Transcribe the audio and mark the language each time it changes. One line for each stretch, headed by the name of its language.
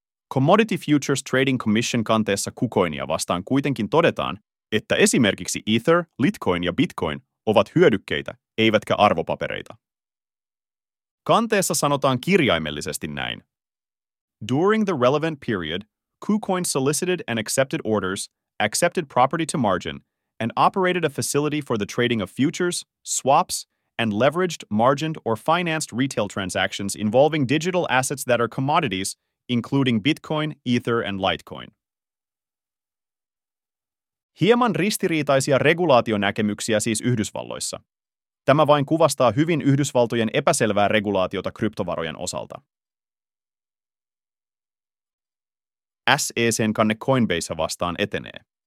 Finnish: Commodity Futures Trading Commission kanteessa KuCoinia vastaan kuitenkin todetaan, että esimerkiksi Ether, Litecoin ja Bitcoin ovat hyödykkeitä, eivätkä arvopapereita. Kanteessa sanotaan kirjaimellisesti näin.
English: During the relevant period, KuCoin solicited and accepted orders, accepted property to margin, and operated a facility for the trading of futures, swaps, and leveraged, margined, or financed retail transactions involving digital assets that are commodities, including Bitcoin, Ether, and Litecoin.
Finnish: Hieman ristiriitaisia regulaationäkemyksiä siis Yhdysvalloissa. Tämä vain kuvastaa hyvin Yhdysvaltojen epäselvää regulaatiota kryptovarojen osalta. SEC:n kanne Coinbase vastaan etenee.